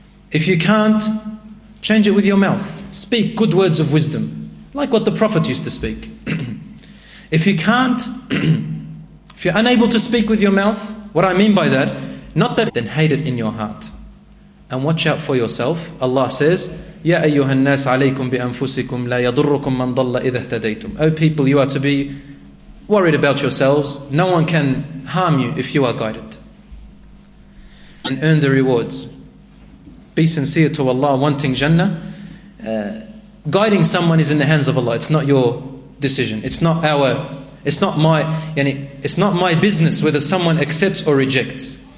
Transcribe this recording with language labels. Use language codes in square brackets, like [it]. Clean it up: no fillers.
[en] If you can't, change it with your mouth. Speak good words of wisdom, like what the Prophet used to speak. If you can't, if you're unable to speak with your mouth, what I mean by that, not that, then hate it in your heart. And watch out for yourself. Allah says, [ar] يَا أَيُّهَا النَّاسَ عَلَيْكُمْ بِأَنفُسِكُمْ لَا يَضُرُّكُمْ مَنْ ضَلَّ إِذَا اهْتَدَيْتُمْ. [en] O people, you are to be worried about yourselves. No one can harm you if you are guided. And earn the rewards. Be sincere to Allah, wanting Jannah. Guiding someone is in the hands of Allah. It's not your decision. It's not my business whether someone accepts or rejects.